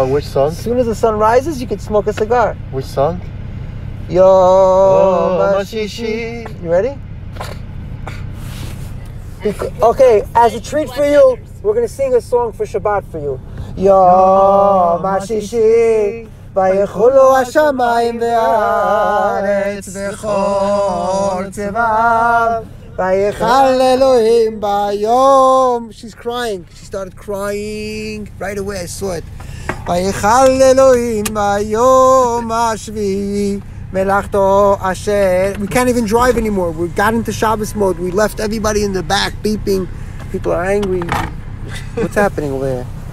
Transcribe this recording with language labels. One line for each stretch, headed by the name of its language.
English: Which song? As soon as the sun rises, you can smoke a cigar. Which song? Yo, Mashishi. You ready? Okay, as a treat for you, we're going to sing a song for Shabbat for you. Yo, Mashishi.
Hebrew: ויכולו השמיים והארץ וכל צבעם ויכל אלוהים ביום.
English: She's crying. She started crying right away. I saw it.
Hebrew: ויכל אלוהים ביום השביעי מלאכתו אשר.
English: We can't even drive anymore. We got into Shabbos mode. We left everybody in the back beeping. People are angry. What's happening over there?